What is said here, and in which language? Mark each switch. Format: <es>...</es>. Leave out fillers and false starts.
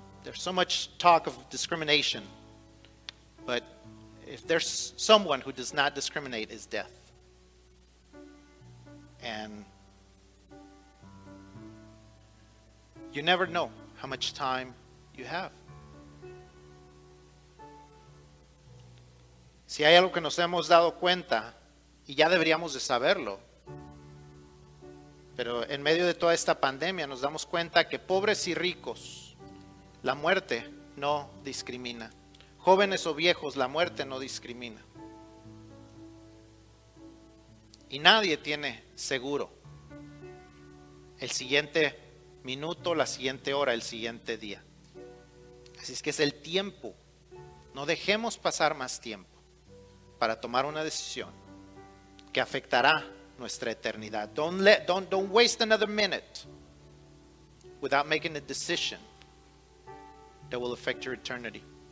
<en>There's so much talk of discrimination, but if there's someone who does not discriminate, is death. And you never know how much time you have.</en> <es>Si hay algo que nos hemos dado cuenta, y ya deberíamos de saberlo, pero en medio de toda esta pandemia nos damos cuenta que pobres y ricos, la muerte no discrimina. Jóvenes o viejos, la muerte no discrimina. Y nadie tiene seguro el siguiente minuto, la siguiente hora, el siguiente día. Así es que es el tiempo. No dejemos pasar más tiempo para tomar una decisión que afectará nuestra eternidad.</es> <en>Don't waste another minute without making a decision that will affect your eternity.</en>